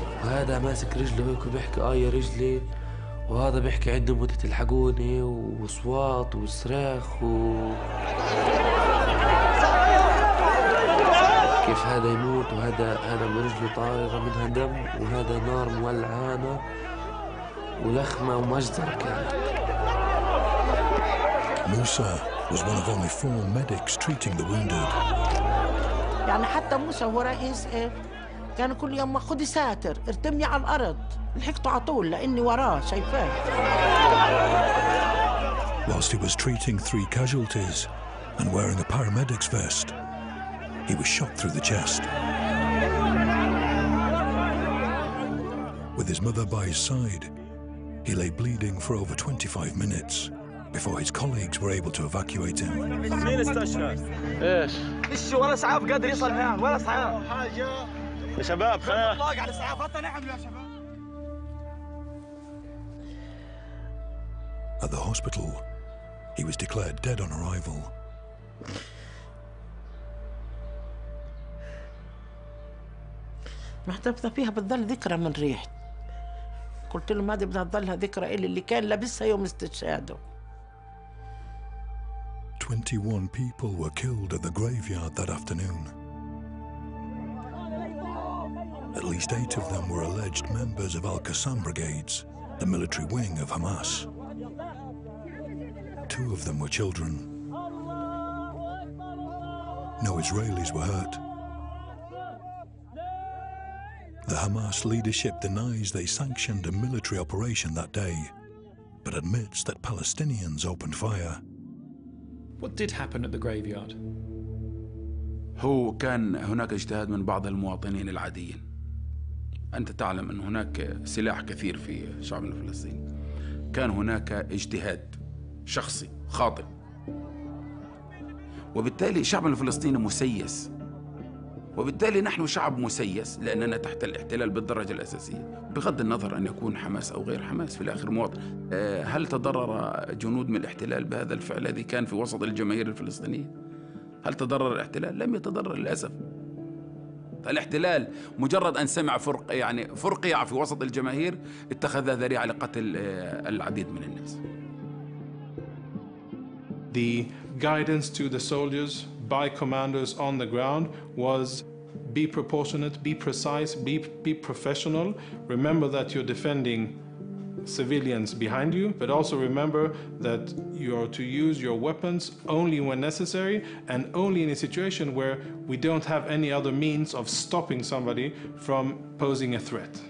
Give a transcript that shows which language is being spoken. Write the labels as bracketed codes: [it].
[ar] هذا ماسك رجله هيك وبيحكي اي رجلي، وهذا بيحكي عنده مدة تلحقوني وصوات وصراخ و كيف هذا يموت وهذا من رجله طايره منها دم وهذا نار مولعانه ولخمه ومجزره كانت. [en] موسى was one of only four medics treating the wounded. [ar] يعني حتى موسى هو رئيس كان كل يوم خذي ساتر ارتمي على الارض لحقته على طول لاني وراه شايفاه. [en] Whilst he was treating three casualties and wearing a paramedic's vest, he was shot through the chest. With his mother by his side, he lay bleeding for over 25 minutes before his colleagues were able to evacuate him. At the hospital, he was declared dead on arrival. [ar] قلت له ما دي بدها تضلها ذكرى إلي اللي كان لابسها يوم استشهاده. [en] 21 people were killed at the graveyard that afternoon. At least 8 of them were alleged members of Al-Qassam Brigades, the military wing of Hamas. 2 of them were children. No Israelis were hurt. The Hamas leadership denies they sanctioned a military operation that day, but admits that Palestinians opened fire. What did happen at the graveyard? [ar] هو كان هناك اجتهاد من بعض المواطنين العاديين. أنت تعلم أن هناك سلاح كثير في شعب الفلسطيني. كان هناك اجتهاد شخصي خاطئ. وبالتالي شعب الفلسطيني مسيس. وبالتالي نحن شعب مسيس لأننا تحت الاحتلال بالدرجة الأساسية بغض النظر أن يكون حماس أو غير حماس في الآخر مواطن. هل تضرر جنود من الاحتلال بهذا الفعل الذي كان في وسط الجماهير الفلسطينية؟ هل تضرر الاحتلال؟ لم يتضرر للأسف. فالاحتلال مجرد أن سمع فرق يعني فرقيع في وسط الجماهير اتخذ ذريعة لقتل العديد من الناس. [en] The guidance to the soldiers by commanders on the ground was be proportionate, be precise, be professional. Remember that you're defending civilians behind you, but also remember that you are to use your weapons only when necessary and only in a situation where we don't have any other means of stopping somebody from posing a threat.